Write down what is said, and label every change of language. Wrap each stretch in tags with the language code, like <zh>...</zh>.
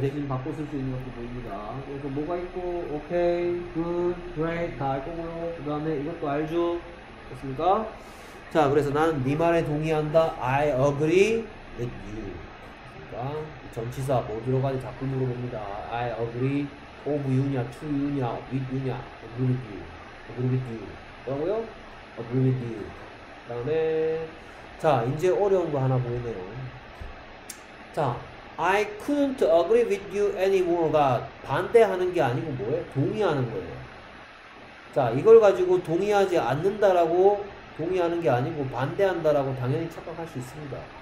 <ko>대신 바꿔 쓸 수 있는 것도 보입니다. 여기서 뭐가 있고 Okay, Good, Great 다 알 거고요. 그 다음에 이것도 알죠? 됐습니까? 자, 그래서 나는 네 말에 동의한다.</ko> <en>I agree with you.</en> <ko>그러니까 전치사 뭐 들어가지 자꾸 물어봅니다.</ko> <en>I agree of you냐, to you냐, with you냐, agree with you. Agree with you.</en> <ko>뭐라고요?</ko> <en>Agree with you.</en> <ko>그 다음에, 자, 이제 어려운 거 하나 보이네요. 자,</ko> <en>I couldn't agree with you anymore</en> <ko>가 반대하는 게 아니고 뭐예요? 동의하는 거예요. 자, 이걸 가지고 동의하지 않는다라고 동의하는 게 아니고 반대한다라고 당연히 착각할 수 있습니다.</ko>